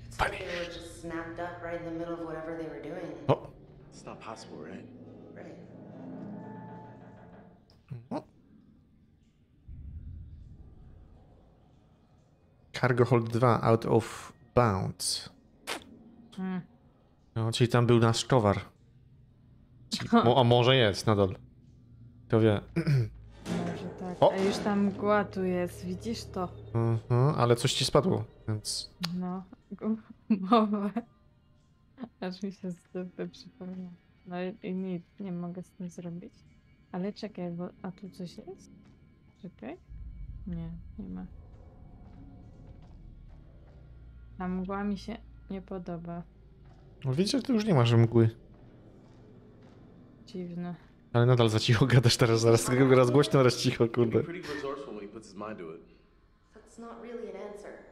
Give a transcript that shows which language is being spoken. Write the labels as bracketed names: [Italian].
[English] It's like they were just snapped up right in the middle of whatever they were doing. Oh. It's not possible, right? Right. Cargo hold 2 out of bounds. [Polish] No, czyli tam był nasz towar. A może jest nadal. Kto wie. O! A już tam mgła tu jest, widzisz to? Ale coś ci spadło, więc... No, głowę. Aż mi się z dupy przypomina. No i nic, nie mogę z tym zrobić. Ale czekaj, bo... A tu coś jest? Czekaj. Nie, nie ma. Ta mgła mi się nie podoba. No widzisz, że ty już nie masz mgły. Dziwne. Ale nadal za cicho gadasz teraz, zaraz raz głośno, raz cicho, kurde. [English] That's not really an answer.